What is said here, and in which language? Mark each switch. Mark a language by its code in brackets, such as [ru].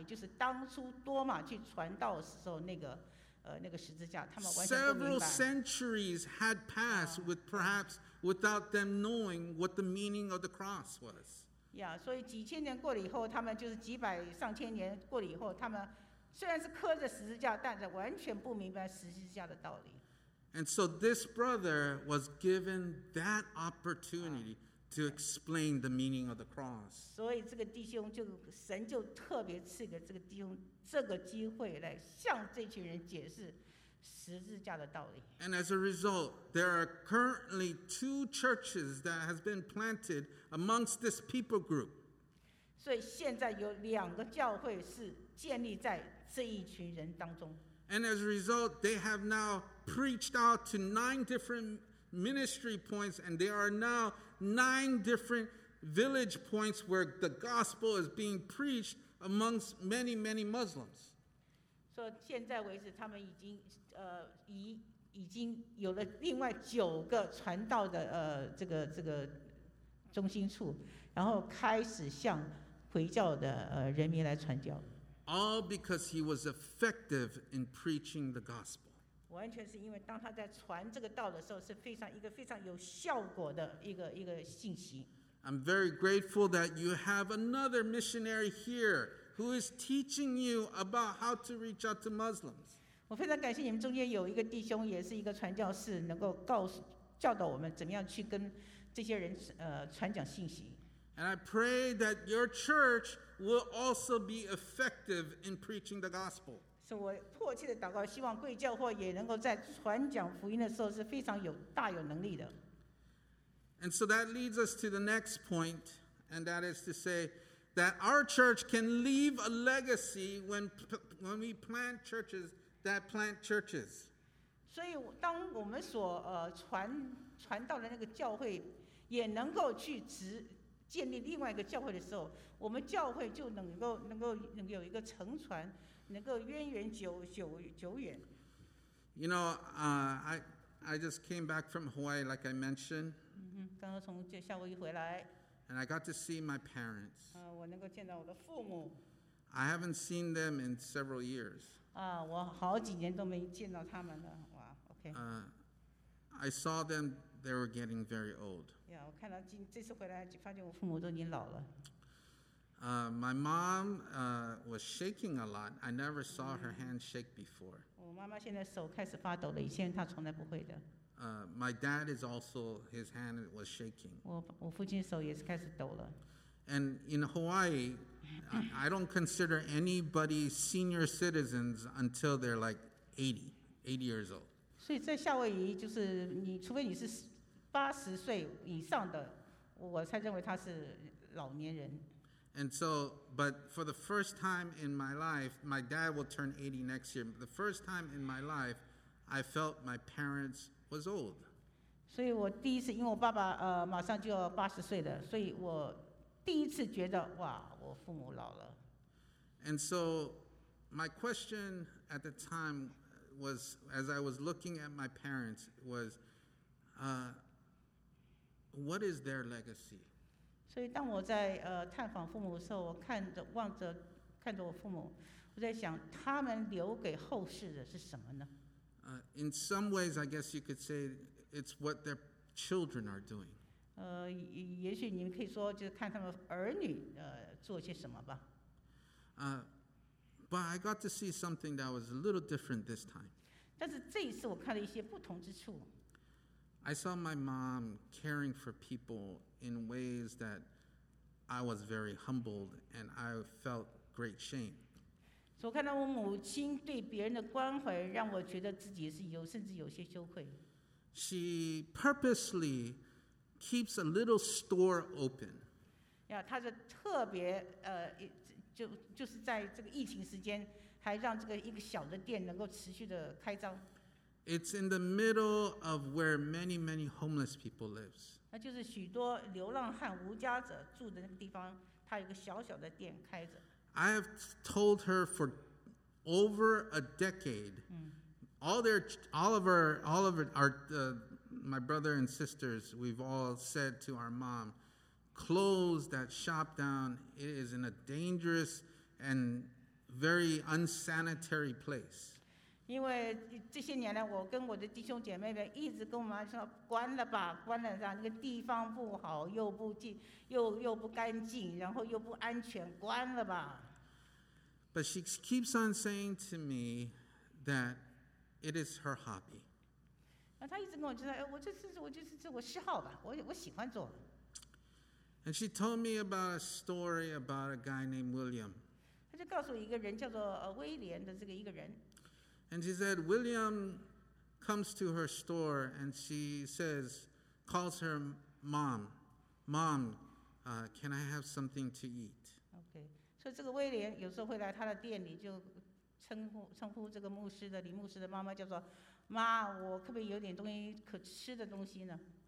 [zh] 所以虽然他们脖上刻着十字架，但他们完全不了解为什么会有十字架，也就是当初多马去传道的时候那个十字架，他们完全不明白。 [en] Several centuries had passed with perhaps without them knowing what the meaning of the cross was. [zh] Yeah, 所以几千年过了以后，他们就是几百上千年过了以后，他们虽然是刻着十字架，但是完全不明白十字架的道理。 [en] And so this brother was given that opportunity to explain the meaning of the cross. [zh] 所以这个弟兄就神就特别赐给这个弟兄这个机会来向这群人解释十字架的道理。 [en] And as a result, there are currently two churches that has been planted amongst this people group. [zh] 所以现在有两个教会是建立在这一群人当中。 [en] And as a result, they have now preached out to 9 different ministry points, and there are now 9 different village points where the gospel is being preached amongst many, many Muslims. [zh] So, 现在为止，他们已经已经有了另外9个传道的这个中心处，然后开始向回教的人民来传教。 [en] All because he was effective in preaching the gospel. [zh] 完全是因为当他在传这个道的时候，是非常一个非常有效果的一个信息。 [en] I'm very grateful that you have another missionary here who is teaching you about how to reach out to Muslims. [zh] 我非常感谢你们中间有一个弟兄，也是一个传教士，能够教导我们怎么样去跟这些人传讲信息。 [en] And I pray that your church will also be effective in preaching the gospel. [zh] So, 我迫切的祷告，希望贵教会也能够在传讲福音的时候是非常有大有能力的。 [en] And so that leads us to the next point, and that is to say that our church can leave a legacy when we plant churches that plant churches. [zh] 所以，当我们所传道的那个教会也能够去建立另外一个教会的时候，我们教会就能够有一个承传，能够源远久远。 [en] You know, I just came back from Hawaii, like I mentioned. [zh] 刚刚从夏威夷回来。 [en] And I got to see my parents. [zh] 我能够见到我的父母。 [en] I haven't seen them in several years. [zh] 我好几年都没见到他们了。哇 ，OK。 [en] I saw them. They were getting very old. [zh] Yeah, 我看到这次回来，发现我父母都已经老了。 [en] My mom was shaking a lot. I never saw her hand shake before. [zh] 我妈妈现在手开始发抖了，以前她从来不会的。 [en] My dad is also, his hand was shaking. [zh] 我父亲手也是开始抖了。 [en] And in Hawaii, I don't consider anybody senior citizens until they're like 80 years old. [zh] 所以在夏威夷，就是你，除非你是80岁以上的，我才认为他是老年人。 [en] And so, but for the first time in my life, my dad will turn 80 next year. The first time in my life, I felt my parents was old. [zh] 所以我第一次，因为我爸爸马上就要80岁了，所以我第一次觉得哇，我父母老了。 [en] And so, my question at the time was, as I was looking at my parents, was, what is their legacy? [zh] 所以当我在探访父母的时候，我看着我父母，我在想他们留给后世的是什么呢？ [en] In some ways, I guess you could say it's what their children are doing. [zh] 也许你们可以说就是看他们儿女做些什么吧。 [en] But I got to see something that was a little different this time. [zh] 但是这一次我看了一些不同之处。 [en] I saw my mom caring for people in ways that I was very humbled and I felt great shame. [zh] 所以我看到我母亲对别人的关怀，让我觉得自己是有甚至有些羞愧。 [en] She purposely keeps a little store open. [zh] 她是特别就是在这个疫情时间，还让这个一个小的店能够持续的开张。 [en] It's in the middle of where many, many homeless people live. [zh] 那就是许多流浪汉、无家者住的那个地方，他有个小小的店开着。 [en] I have told her for over a decade, my brother and sisters, we've all said to our mom, close that shop down. It is in a dangerous and very unsanitary place. [zh] 因为这些年来我跟我的弟兄姐妹们一直跟我妈说关了吧，关了吧，那个地方不好，又不净，又不干净，然后又不安全，关了吧。 [en] But she keeps on saying to me that it is her hobby. [zh] 那她一直跟我说，哎，我这是我嗜好吧，我喜欢做。 [en] And she told me about a story about a guy named William. [zh] 她就告诉我一个人叫做威廉的这个一个人。 [en] And she said, William comes to her store and she says, calls her mom, Mom, can I have something to eat? Okay. So, this William, [zh] 有时候会来他的店里就称呼这个牧师的李牧师的妈妈叫做妈，我可不可以有点东西可吃的东西呢？